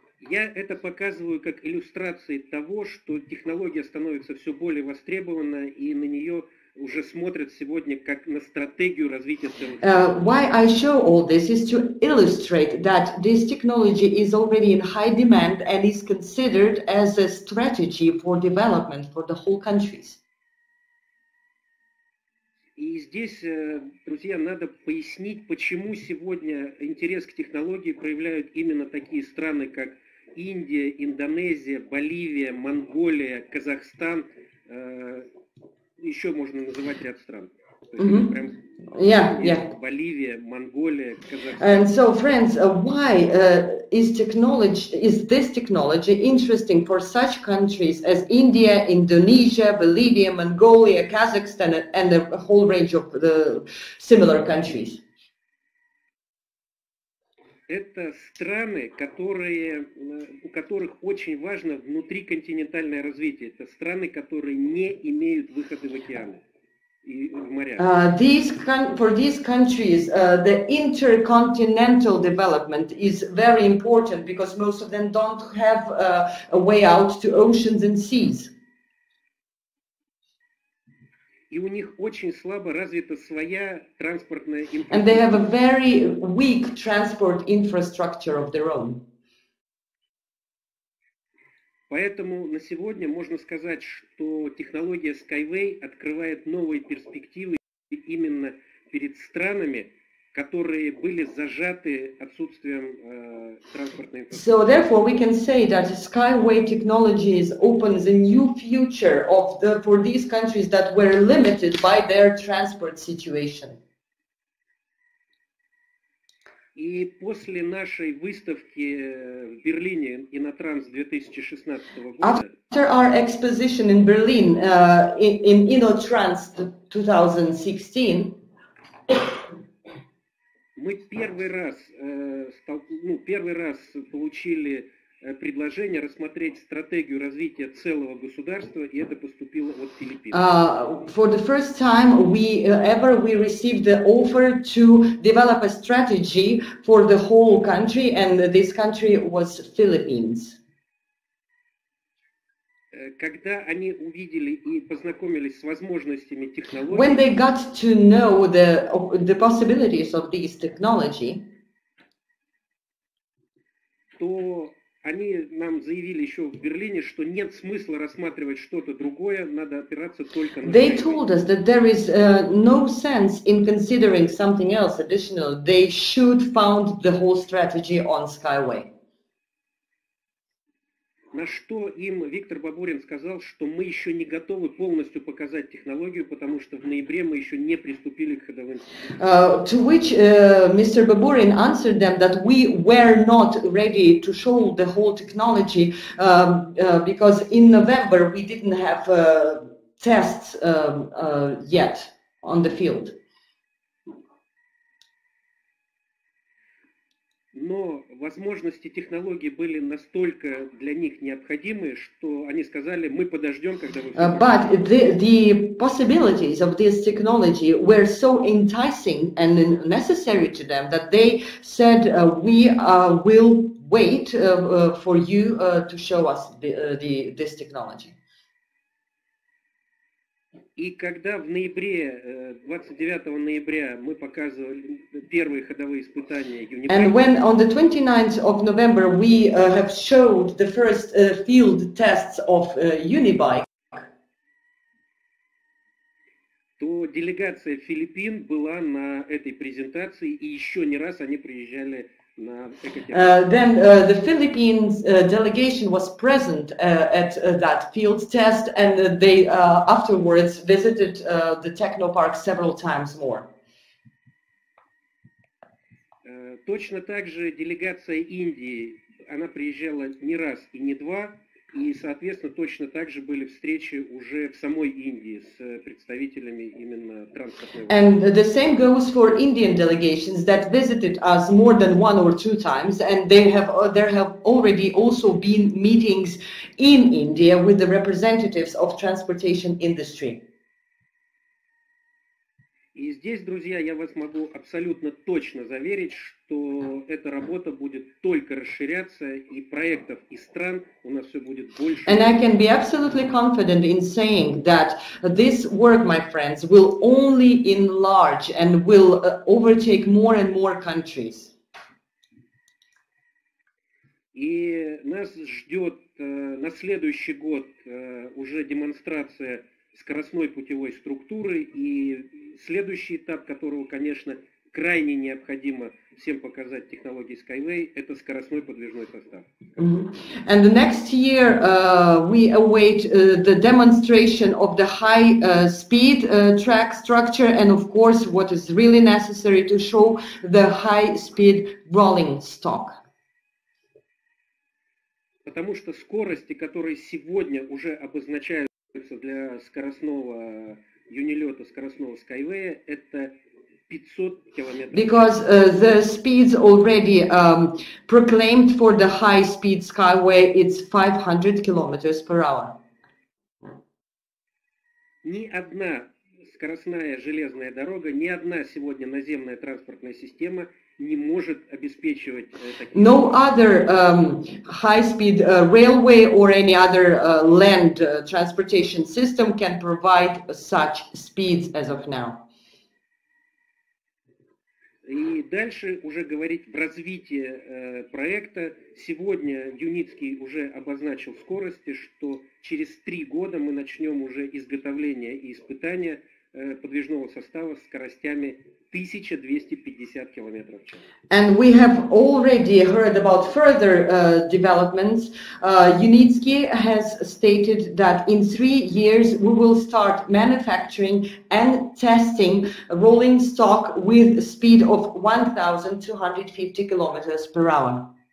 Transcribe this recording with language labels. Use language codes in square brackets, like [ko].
[ru] Я это показываю как иллюстрации того, что технология становится все более востребована, и на нее уже смотрят сегодня как на стратегию развития страны. [en] Why I show all this is to illustrate that this technology is already in high demand and is considered as a strategy for development for the whole countries. [ru] И здесь, друзья, надо пояснить, почему сегодня интерес к технологии проявляют именно такие страны, как Индия, Индонезия, Боливия, Монголия, Казахстан, еще можно называть ряд стран. Боливия, Монголия, Казахстан. [en] And so, friends, why is this technology interesting for such countries as India, Indonesia, Bolivia, Mongolia, Kazakhstan, and a whole range of the similar countries? [ru] Это страны, которые, у которых очень важно внутриконтинентальное развитие. Это страны, которые не имеют выхода в океаны. [en] For these countries, the intercontinental development is very important because most of them don't have a way out to oceans and seas. [ru] И у них очень слабо развита своя транспортная инфраструктура. [en] And they have a very weak transport infrastructure of their own. [ru] Поэтому на сегодня можно сказать, что технология SkyWay открывает новые перспективы именно перед странами, которые были зажаты отсутствием транспортной инфраструктуры. [en] So therefore we can say that SkyWay technology opens a new future of the for these countries that were limited by their transport situation. [ru] И после нашей выставки в Берлине и на Транс 2016 года. [en] After our exposition in Berlin in InnoTrans 2016, [ru] мы первый раз получили предложение рассмотреть стратегию развития целого государства, и это поступило от Филиппин. [en] For the first time we received the offer to develop a strategy for the whole country, and this country was Philippines. [ru] Когда они увидели и познакомились с возможностями технологий, [en] when they got to know the possibilities of these technology, [ru] то они нам заявили еще в Берлине, что нет смысла рассматривать что-то другое, надо опираться только на. [en] They told us that there is no sense in considering something else additional. They should found the whole strategy on SkyWay. [ru] На что им Виктор Бабурин сказал, что мы еще не готовы полностью показать технологию, потому что в ноябре мы еще не приступили к ходовым. [en] To which Mr. Baburin answered them that we were not ready to show the whole technology because in November we didn't have tests yet on the field. [ru] Но возможности технологии были настолько для них необходимы, что они сказали, мы подождем, когда вы. [en] But the possibilities of this technology were so enticing and necessary to them that they said we will wait for you to show us this technology. [ru] И когда в ноябре, 29 ноября, мы показывали первые ходовые испытания Юнипрома. [en] And when on the 29th of November we have showed the first field tests of Unibike, [ru] то делегация Филиппин была на этой презентации, и еще не раз они приезжали на экотех. [en] Then the Philippines delegation was present at that field test, and they afterwards visited the Technopark several times more. [ru] Точно так же делегация Индии, она приезжала не раз и не два, и, соответственно, точно так же были встречи уже в самой Индии с представителями именно транспортной. [en] And the same goes for Indian delegations that visited us more than one or two times, and there have already also been meetings in India with the representatives of transportation industry. [ru] И здесь, друзья, я вас могу абсолютно точно заверить, что эта работа будет только расширяться, и проектов и стран у нас все будет больше. [en] And I can be absolutely confident in saying that this work, my friends, will only enlarge and will overtake more and more countries. [ru] И нас ждет на следующий год уже демонстрация скоростной путевой структуры и следующий этап, которого, конечно, крайне необходимо всем показать технологии SkyWay, это скоростной подвижной состав. Mm-hmm. [en] And the next year we await the demonstration of the high speed track structure, and of course what is really necessary to show the high speed rolling stock. [ru] Потому что скорости, которые сегодня уже обозначаются для скоростного юнилета, скоростного SkyWay, это 500 километров. [en] Because the speeds already proclaimed for the high speed SkyWay, it's 500 kilometers per hour. [ru] Ни одна скоростная железная дорога, ни одна сегодня наземная транспортная система не может обеспечивать такие... [en] No other high-speed railway or any other land transportation system can provide such speeds as of now. [ru] И дальше уже говорить в развитии проекта. Сегодня Юницкий уже обозначил скорости, что через 3 года мы начнем уже изготовление и испытания подвижного состава скоростями 1250 километров в час. [en] And we have already heard about further developments. Юницкий has stated that in 3 years we will start manufacturing and testing rolling stock with speed of 1250 kilometers per hour.